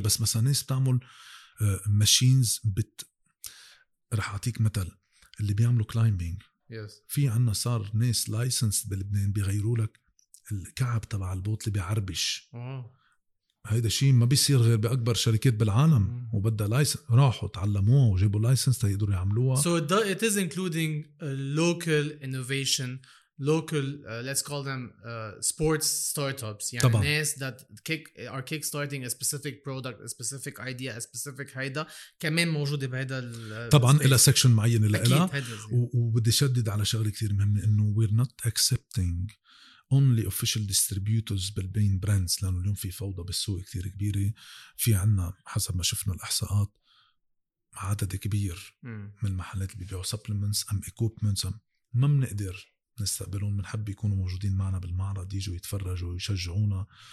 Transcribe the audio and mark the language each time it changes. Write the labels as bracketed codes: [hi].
[ar] بس مثلا ناس بتعمل ماشينز رح أعطيك مثل اللي بيعملوا كلايمبينج. في عنا صار ناس لايسنس بلبنان بيغيروا لك الكعب تبع البوط اللي بيعربش. هيدا شيء ما بيصير غير بأكبر شركات بالعالم. وبدأ لايسنس راحوا تعلموها وجيبوا لايسنس تقدروا يعملوها. [en] So it is including local innovation, local let's call them sports startups. [ar] يعني طبعا. [en] ناس that are kick starting a specific product, a specific idea, a specific [ar] هيدا كمان موجودة بهيدا. طبعا إلى سكشن معين إلى إلى. وبدي شدد على شغلة كتير مهمة إنه [en] we're not accepting only official distributors [ar] بالبين براندز، لأنه اليوم في فوضى بالسوق كتير كبيرة. في عنا حسب ما شفنا الإحصاءات عدد كبير من المحلات اللي بيبيعوا supplements أم equipments ما منقدر نستقبلون، منحب يكونوا موجودين معنا بالمعرض يجوا يتفرجوا ويشجعونا.